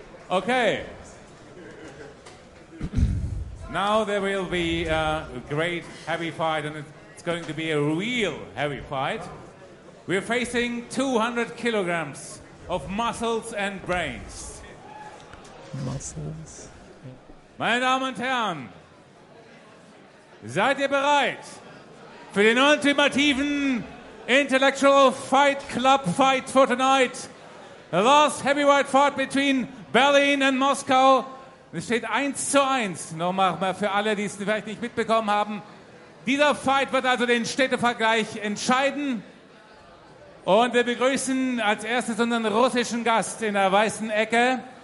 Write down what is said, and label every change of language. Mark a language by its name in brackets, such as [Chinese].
[English] Okay. Now there will be a great heavy fight, and it's going to be a real heavy fight. We're facing 200 kilograms of muscles and brains. Muscles. [German] Meine Damen und Herren, seid ihr bereit für den ultimativen [English] Intellectual Fight Club fight for tonight? The last heavyweight fight between Berlin and Moscow. [German] Es steht 1-1. Nochmal für alle, die es vielleicht nicht mitbekommen haben. Dieser Fight wird also den Städtevergleich entscheiden. Und wir begrüßen als erstes unseren russischen Gast in der weißen Ecke.